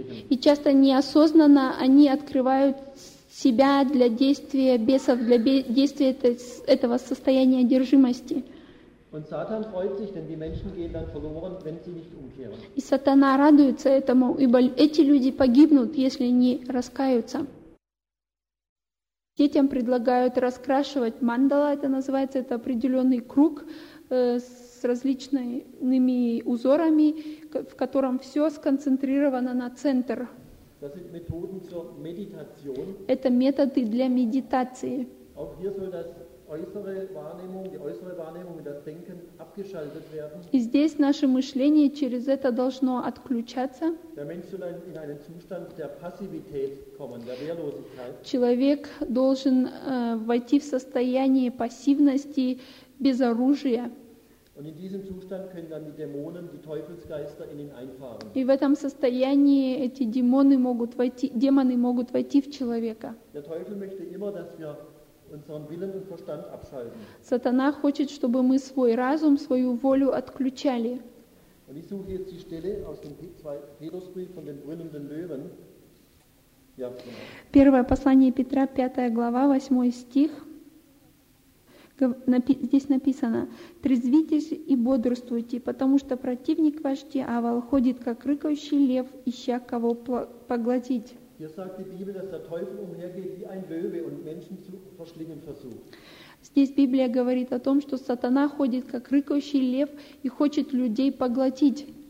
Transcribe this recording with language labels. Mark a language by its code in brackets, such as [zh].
[ru] И часто неосознанно они открывают себя для действия бесов, для действия этого состояния одержимости. [de] Und Satan freut sich, denn die Menschen gehen dann verloren, wenn sie nicht umkehren. [ru] И сатана радуется этому, ибо эти люди погибнут, если не раскаются. Детям предлагают раскрашивать мандала, это называется, это определенный круг с различными узорами, в котором все сконцентрировано на центр. [de] Das sind Methoden zur Meditation. [ru] Это методы для медитации. [de] Auch hier soll das äußere Wahrnehmung, die äußere Wahrnehmung, das Denken abgeschaltet werden. [ru] И здесь наше мышление через это должно отключаться. [de] Der Mensch soll in einen Zustand der Passivität kommen, der Wehrlosigkeit. [ru] Человек должен войти в состояние пассивности, безоружия. [de] Und in diesem Zustand können dann die Dämonen, die Teufelsgeister in ihn einfahren. [ru] И в этом состоянии эти демоны могут войти в человека. [de] Der Teufel möchte immer, dass wir unseren Willen und Verstand abschalten. [ru] Сатана хочет, чтобы мы свой разум, свою волю отключали. [de] Und ich suche jetzt die Stelle aus dem 2. Petrusbrief von den brüllenden Löwen. [ru] Ja, Первое послание Петра, 5 глава, 8 стих. Здесь написано: «Трезвитесь и бодрствуйте, потому что противник ваш дьявол ходит, как рыкающий лев, ища кого поглотить». [de] Hier sagt die Bibel, dass der Teufel umhergeht wie ein Löwe und Menschen zu verschlingen versucht. [ru] Здесь Библия говорит о том, что сатана ходит как рыкающий лев и хочет людей поглотить.